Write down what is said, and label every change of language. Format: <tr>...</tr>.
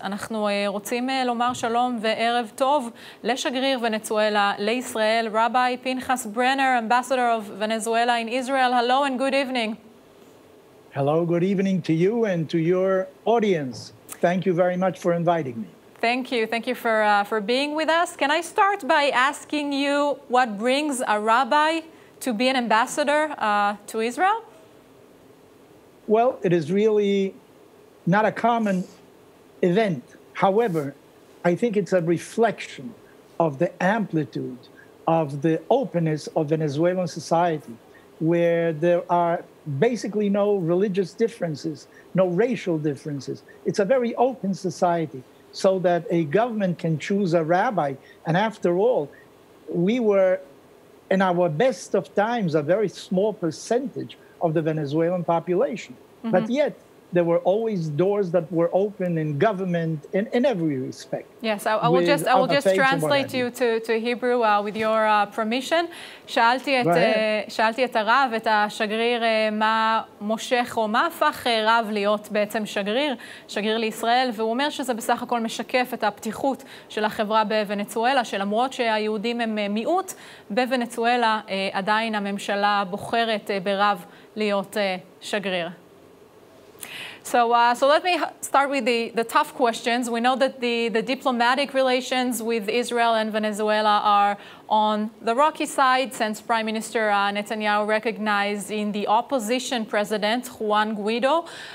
<he>אנחנו רוצים לומר שלום וערב טוב לשגריר וונצואלה לישראל, רבי פינחס ברנר,</he> <en>אמבסדור אוף וונצואלה אין ישראל. הלו אנד גוד איבנינג. הלו, גוד איבנינג טו יו אנד טו יור אודיאנס. Thank you very much for inviting me. Thank you. Thank you for being with us. Can I start by asking you what brings a rabbi to be an ambassador to Israel? Well, it is really not a common event. However, I think it's a reflection of the amplitude of the openness of Venezuelan society, where there are basically no religious differences, no racial differences. It's a very open society, so that a government can choose a rabbi. And after all, we were, in our best of times, a very small percentage of the Venezuelan population. Mm-hmm. But yet, there were always doors that were open in government in every respect. Yes, I will just translate you to Hebrew with your permission.</en> <he>שאלתי את הרב, את השגריר, מה מושך או מה הפך רב להיות בעצם שגריר, שגריר לישראל, והוא אומר שזה בסך הכל משקף את הפתיחות של החברה בוונצואלה, שלמרות שהיהודים הם מיעוט, בוונצואלה עדיין הממשלה בוחרת ברב להיות שגריר.</he> <en>So let me start with the tough questions. We know that the diplomatic relations with Israel and Venezuela are on the rocky side since Prime Minister Netanyahu recognized in the opposition president Juan Guaido.</en>